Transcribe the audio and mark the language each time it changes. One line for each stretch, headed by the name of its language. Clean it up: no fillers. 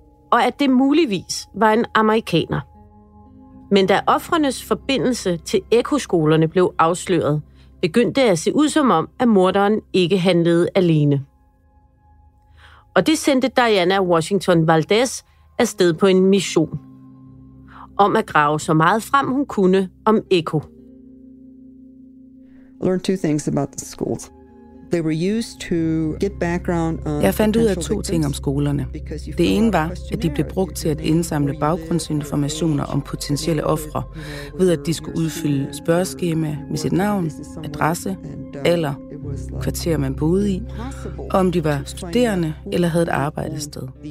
Danish: Og at det muligvis var en amerikaner. Men da ofrenes forbindelse til ekoskolerne blev afsløret, begyndte det at se ud som om, at morderen ikke handlede alene. Og det sendte Diana Washington Valdez afsted på en mission. Om at grave så meget frem, hun kunne om Eko.
English: Learned two things about the schools. They were used to get background on.
Danish: Jeg fandt ud af to ting om skolerne. Det ene var, at de blev brugt til at indsamle baggrundsinformationer om potentielle ofre, ved at de skulle udfylde spørgeskema med sit navn, adresse, alder, kvarter, man boede i, og om de var studerende eller havde et arbejdested.